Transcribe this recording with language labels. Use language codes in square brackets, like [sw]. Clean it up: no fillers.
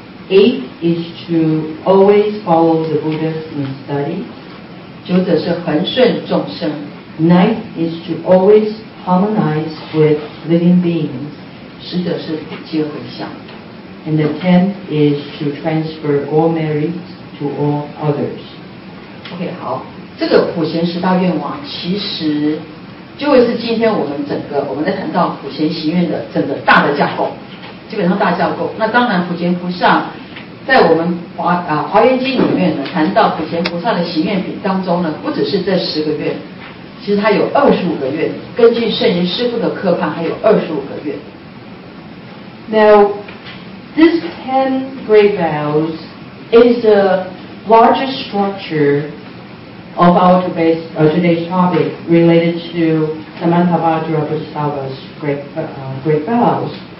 [en] Eighth is to always follow the Buddhas in study. [zh] 九者是恒顺众生. [en] Ninth is to always harmonize with living beings. [zh] 十者是结合相. [en] And the tenth is to transfer all merits to all others. [zh] OK, 好，这个普贤十大愿望其实就会是今天我们在谈到普贤行愿的整个大的架构，基本上大架构。那当然普贤菩萨 在我们华严经里面呢，谈到普贤菩萨的行愿品当中呢，不只是这十个愿，其实它有二十五个愿，根据圣严师父的课判，还有二十五个愿。 [en] Now, this 10 great vows is the largest structure of our today's topic related to Samantabhadra Bodhisattva's great vows.